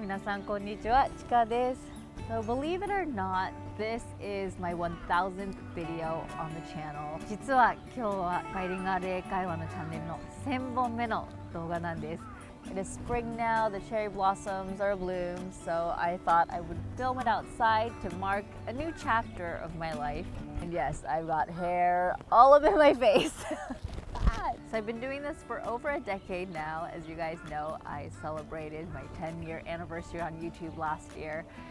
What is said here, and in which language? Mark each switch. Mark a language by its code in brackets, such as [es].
[ja] 皆さんこんにちは、チカです。 [en] So believe it or not, this is my 1000th video on the channel. [ja] 実は今日はバイリンガル英会話のチャンネルの1000本目の動画なんです。 [en] It is spring now, the cherry blossoms are bloom, so I thought I would film it outside to mark a new chapter of my life. And yes, I've got hair all over my face. So I've been doing this for over a decade now. As you guys know, I celebrated my 10-year anniversary on YouTube last year.